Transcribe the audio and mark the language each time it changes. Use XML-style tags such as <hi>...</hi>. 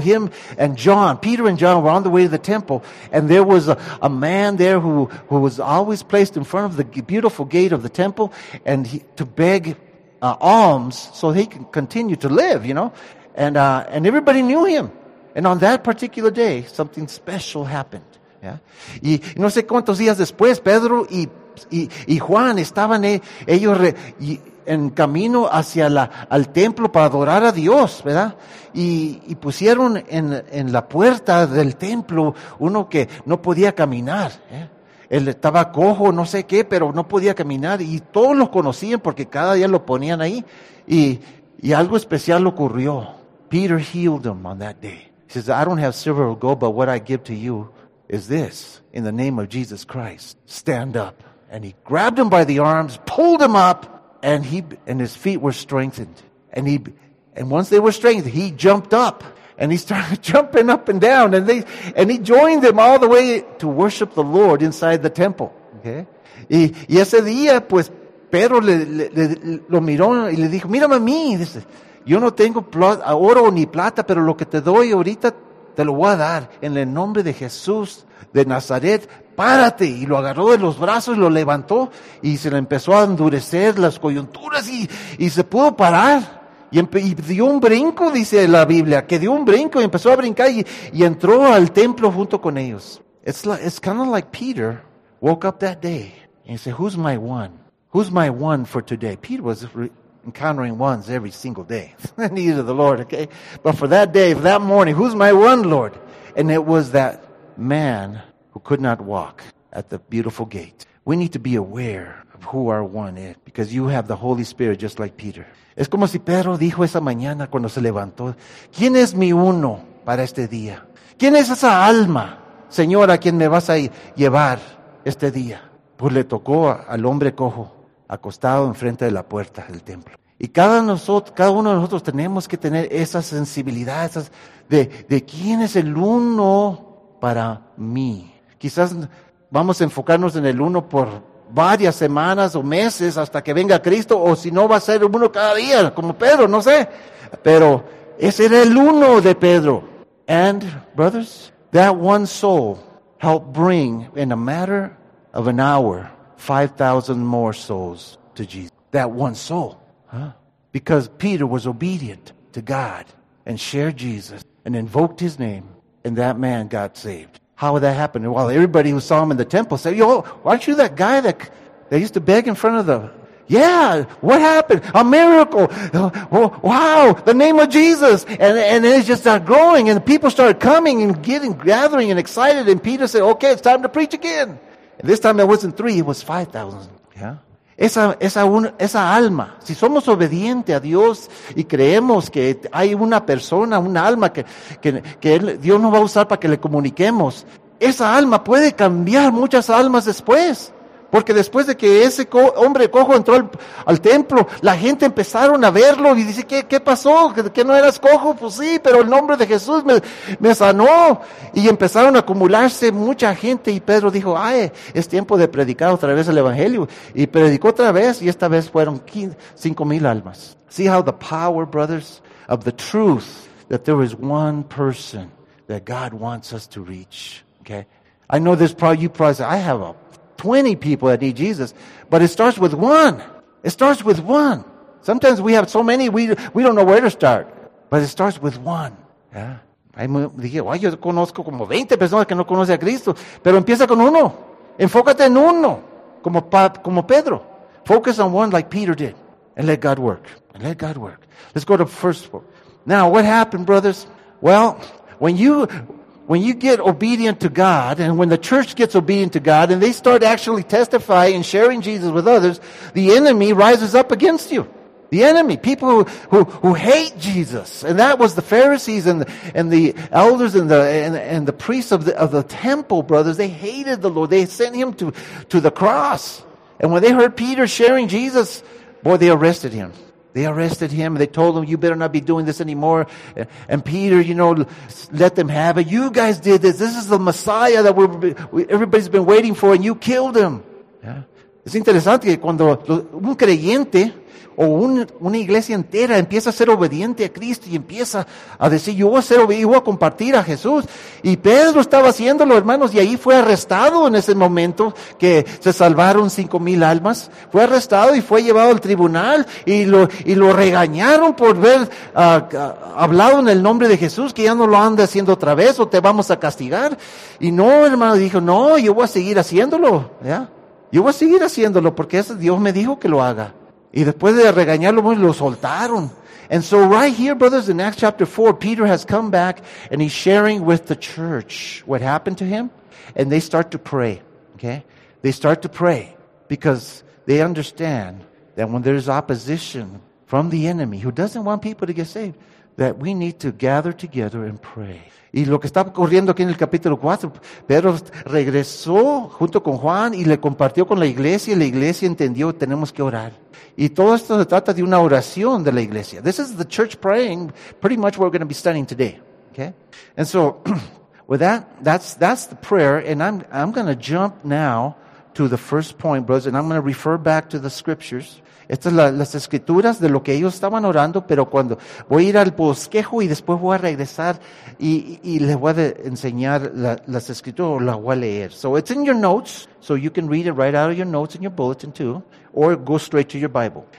<en>Him and John, Peter and John were on the way to the temple. And there was a man there who was always placed in front of the beautiful gate of the temple and to beg alms so he can continue to live, you know? And everybody knew him. And on that particular day, something special happened. Yeah?</en> <es>Y no sé cuántos días después, Pedro y Juan estaban en camino hacia al templo para adorar a Dios, ¿verdad? Y pusieron en la puerta del templo uno que no podía caminar, ¿eh? Él estaba cojo, no sé qué, pero no podía caminar. Y todos lo conocían porque cada día lo ponían ahí. Y algo especial ocurrió.</es> <en>Peter healed him on that day. He says, I don't have silver or gold, but what I give to you is this. In the name of Jesus Christ, stand up. And he grabbed him by the arms, pulled him up, and his feet were strengthened. And once they were strengthened, he jumped up. And he started jumping up and down, and he joined them all the way to worship the Lord inside the temple. Okay?</en> <es>Y ese día, pues, Pedro lo miró y le dijo, mírame a mí. Dice, yo no tengo oro ni plata, pero lo que te doy ahorita, te lo voy a dar. En el nombre de Jesús de Nazaret, párate. Y lo agarró de los brazos y lo levantó, y se le empezó a endurecer las coyunturas y se pudo parar. Y dio un brinco, dice la Biblia, que dio un brinco y empezó a brincar y entró al templo junto con ellos.</es> <en>It's kind of like Peter woke up that day and said, who's my one? Who's my one for today? Peter was encountering ones every single day. I needed the Lord, okay? But for that day, for that morning, who's my one, Lord? And it was that man who could not walk at the beautiful gate. We need to be aware of who our one is, because you have the Holy Spirit just like Peter.</en> <es>Es como si Pedro dijo esa mañana cuando se levantó, ¿quién es mi uno para este día? ¿Quién es esa alma, Señor, a quien me vas a llevar este día? Pues le tocó al hombre cojo, acostado enfrente de la puerta del templo. Y cada uno de nosotros tenemos que tener esa sensibilidad, de quién es el uno para mí. Quizás vamos a enfocarnos en el uno por varias semanas o meses hasta que venga Cristo, o si no va a ser uno cada día, como Pedro, no sé. Pero ese era el uno de Pedro.</es> <en>And brothers, that one soul helped bring, in a matter of an hour, 5,000 more souls to Jesus. That one soul. Huh? Because Peter was obedient to God and shared Jesus and invoked his name, and that man got saved. How would that happen? Well, everybody who saw him in the temple said, "Yo, aren't you that guy that used to beg in front of the..." Yeah, what happened? A miracle. Wow, the name of Jesus. And it just started growing, and people started coming and gathering and excited. And Peter said, "Okay, it's time to preach again." And this time it wasn't 3, it was 5,000. Yeah.</en> <es>Esa alma, si somos obedientes a Dios y creemos que hay una persona, un alma que Dios nos va a usar para que le comuniquemos, esa alma puede cambiar muchas almas después. Porque después de que ese hombre cojo entró al templo, la gente empezaron a verlo y dice, ¿qué pasó? ¿Que no eras cojo? Pues sí, pero el nombre de Jesús me sanó. Y empezaron a acumularse mucha gente y Pedro dijo, ay, es tiempo de predicar otra vez el Evangelio. Y predicó otra vez y esta vez fueron 5,000 almas.</es> <en>See how the power, brothers, of the truth that there is one person that God wants us to reach. Okay? I know this probably, you probably say, I have a 20 people that need Jesus, but it starts with one. It starts with one. Sometimes we have so many, we don't know where to start, but it starts with one. Yeah.</en> <es>Ahí me dije, "Wow, yo conozco como 20 personas que no conocen a Cristo, pero empieza con uno. Enfócate en uno, como Pedro.</es> <en>Focus on one like Peter did, and let God work. And let God work." Let's go to first book. Now, what happened, brothers? Well, when you get obedient to God, and when the church gets obedient to God, and they start actually testifying and sharing Jesus with others, the enemy rises up against you. The enemy, people who hate Jesus. And that was the Pharisees and the elders and the priests of the temple, brothers. They hated the Lord. They sent him to the cross. And when they heard Peter sharing Jesus, boy, they arrested him. They arrested him. They told him, "You better not be doing this anymore." And Peter, you know, let them have it. "You guys did this. This is the Messiah that everybody's been waiting for, and you killed him." Yeah.</en> <es>Es interesante que cuando un creyente o una iglesia entera empieza a ser obediente a Cristo y empieza a decir, "Yo voy a ser obediente, voy a compartir a Jesús." Y Pedro estaba haciéndolo, hermanos, y ahí fue arrestado en ese momento que se salvaron 5,000 almas. Fue arrestado y fue llevado al tribunal y lo regañaron por haber hablado en el nombre de Jesús, que ya no lo anda haciendo otra vez o te vamos a castigar. Y no, hermano, dijo, "No, yo voy a seguir haciéndolo, ¿ya? Yo voy a seguir haciéndolo porque Dios me dijo que lo haga." Y después de regañarlo, lo soltaron.</es> <en>And so right here, brothers, in Acts chapter 4, Peter has come back and he's sharing with the church what happened to him. And they start to pray, okay? They start to pray because they understand that when there's opposition from the enemy who doesn't want people to get saved, that we need to gather together and pray.</en> <es>Y lo que estaba ocurriendo aquí en el capítulo 4, Pedro regresó junto con Juan y le compartió con la iglesia, y la iglesia entendió, tenemos que orar. Y todo esto se trata de una oración de la iglesia.</es> <en>This is the church praying, pretty much what we're going to be studying today. Okay? And so, with that, that's the prayer, and I'm going to jump now to the first point, brothers, and I'm going to refer back to the scriptures.</en> <es>Estas son las escrituras de lo que ellos estaban orando, pero cuando voy a ir al bosquejo y después voy a regresar y les voy a enseñar las escrituras o las voy a leer.</es> <en>So it's in your notes, so you can read it right out of your notes in your bulletin too, or go straight to your Bible.</en>